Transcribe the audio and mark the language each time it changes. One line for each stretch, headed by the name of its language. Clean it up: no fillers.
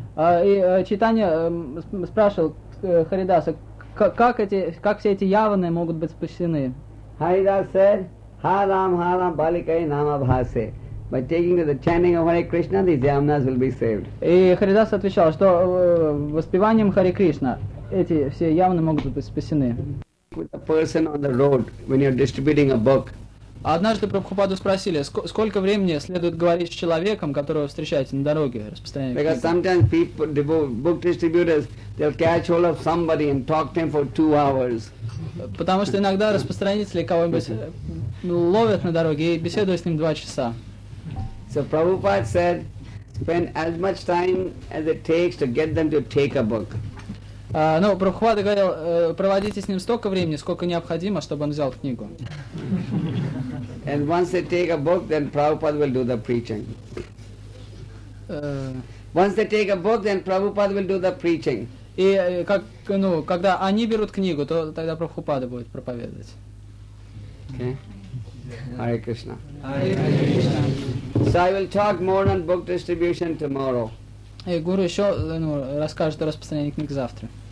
Russian: И Chaitanya спрашивал Харидаса, как все эти яваны могут быть спасены?
Sanskrit: Haridas said, Haram Haram Balikai Namabhase.
English: By taking to the chanting of Hare Krishna, these yavanas will be saved.
Russian: И Харидас отвечал, что воспеванием Хари Кришна эти все явно могут быть спасены.
English: With a person on the road when you're distributing a book.
Russian: Однажды Прабхупаду спросили, сколько времени следует говорить с человеком, которого встречаете на дороге, распространяя книги.
English: Because sometimes people, book distributors, they'll catch hold of somebody and talk to him for 2 hours.
Russian: Потому что иногда распространители кого-нибудь ловят на дороге и беседуют с ним 2 часа.
English: So Prabhupada said, spend as much time as it takes to get them to take a book.
Russian: Ну, Прабхупада говорил, проводите с ним столько времени, сколько необходимо, чтобы он взял книгу.
English: And once they take a book, then Prabhupada will do the preaching. Once they take a book, then Prabhupada will do the preaching.
Russian: И как, ну, когда они берут книгу, то тогда Прабхупада будет проповедовать.
English: Okay. Hare Krishna. Hare Krishna. So I will talk more on book distribution tomorrow.
Russian: Hey, Guru, еще, ну, расскажет о распространении книг завтра.